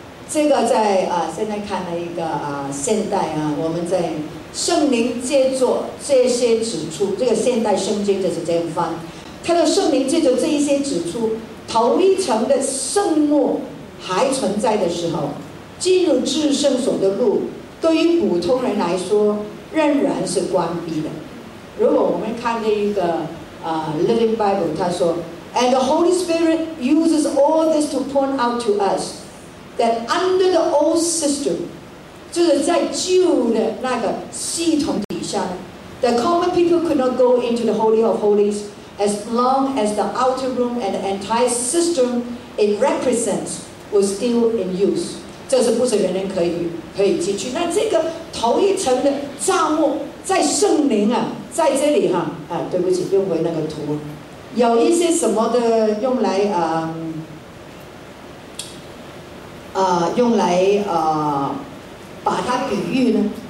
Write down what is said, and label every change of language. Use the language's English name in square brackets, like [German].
[Chinese] 这个在现在看了一个现代我们在圣灵借着这些指出，这个现代圣经就是这样翻，他的圣灵借着这一些指出，头一层的圣幕还存在的时候，进入至圣所的路对于普通人来说仍然是关闭的。如果我们看这一个 [English] Living Bible 他说，And the Holy Spirit uses all this to point out to us that under the old system，就是在旧的那个系统底下，the common people could not go into the Holy of Holies as long as the outer room and the entire system it represents was still in use。 [Chinese] 这是不是人人可以进去？那这个头一层的帐幕在圣灵啊，在这里哈 对不起，用回那个图，有一些什么的用来把它比喻呢？